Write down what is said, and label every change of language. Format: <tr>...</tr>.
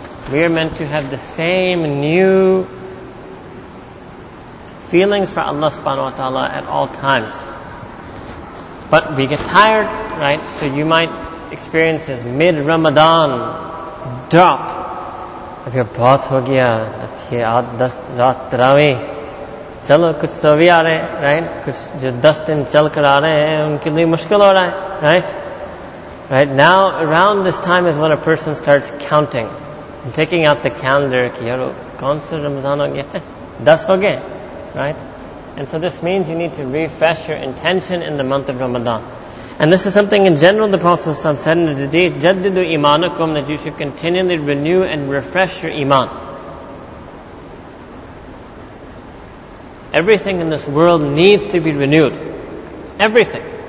<en>We are meant to have the same new feelings for Allah subhanahu wa ta'ala at all times. But we get tired, right? So you might experience this mid-Ramadan drop.</en> <ur>اب یہ بات ہو گیا، اب یہ 10 رات تراویح۔ چلو کچھ تو بھی آ رہے،</ur> <en>right?</en> <ur>کچھ جو 10 دن چل کر آ رہے ہیں، ان کے لیے مشکل ہو رہا ہے، right?</ur> <en>Right now, around this time is when a person starts counting. He's taking out the calendar.</en> <ur>یارو، کون سا رمضان ہو گیا؟ 10 ہو گیا۔</ur> <en>Right? And so this means you need to refresh your intention in the month of Ramadan. And this is something in general the Prophet ﷺ said in the hadith,</en> <ar>jaddidu imanakum,</ar> <en>that you should continually renew and refresh your iman. Everything in this world needs to be renewed. Everything.</en>